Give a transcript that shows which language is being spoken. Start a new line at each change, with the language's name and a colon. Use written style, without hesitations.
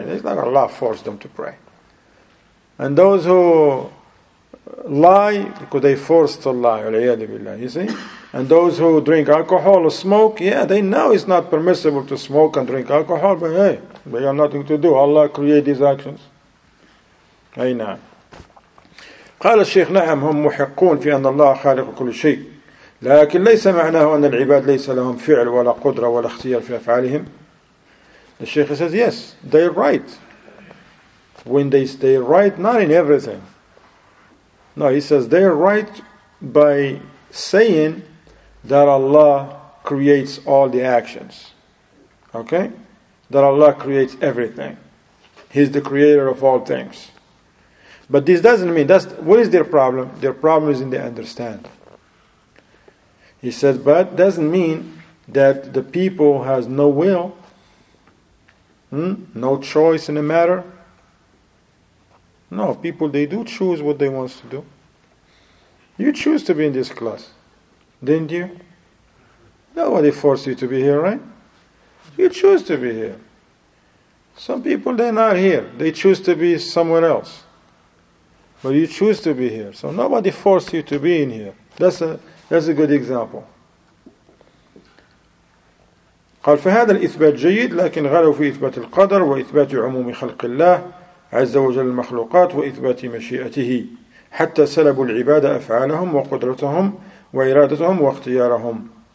English: It's like Allah forced them to pray. And those who lie, because they forced to lie, you see? And those who drink alcohol or smoke, yeah, they know it's not permissible to smoke and drink alcohol, but hey, we have nothing to do. Allah created these actions. Aynan.
Arabic: قال الشيخ نعم هم محقون في أن الله خالق كل شيء لكن ليس معناه أن العباد ليس لهم فعل ولا قدرة ولا اختيار في أفعالهم.
English: The Shaykh says yes, they're right. When they stay right, not in everything. No, he says they're right by saying that Allah creates all the actions. Okay? That Allah creates everything. He's the creator of all things. But this doesn't mean, that's what is their problem? Their problem is in the understanding. He said, but doesn't mean that the people has no will, no choice in the matter. No, people, they do choose what they want to do. You choose to be in this class, didn't you? Nobody forced you to be here, right? You choose to be here. Some people, they're not here. They choose to be somewhere else. But you choose to be here. So nobody forced you to be in here. That's a good example.
Arabic: قال فهذا الإثبات جيد لكن غلوا في إثبات القدر وإثبات عموم خلق الله عز وجل المخلوقات وإثبات مشيئته حتى سلبوا العبادة أفعالهم وقدرتهم وإرادتهم واختيارهم.